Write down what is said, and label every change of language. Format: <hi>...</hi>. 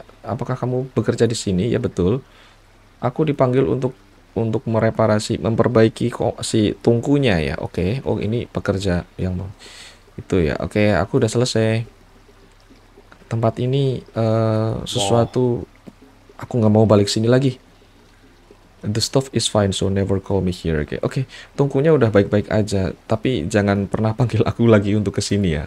<id>Apakah kamu bekerja di sini? Ya betul. Aku dipanggil untuk mereparasi, memperbaiki si tungkunya ya. Oke. Oh, ini pekerja yang itu ya. Oke, aku udah selesai. Tempat ini sesuatu. Aku nggak mau balik sini lagi.</id> <en>The stuff is fine, so never call me here. Okay.</en> <id>Okay, tungkunya udah baik-baik aja, tapi jangan pernah panggil aku lagi untuk kesini ya.</id>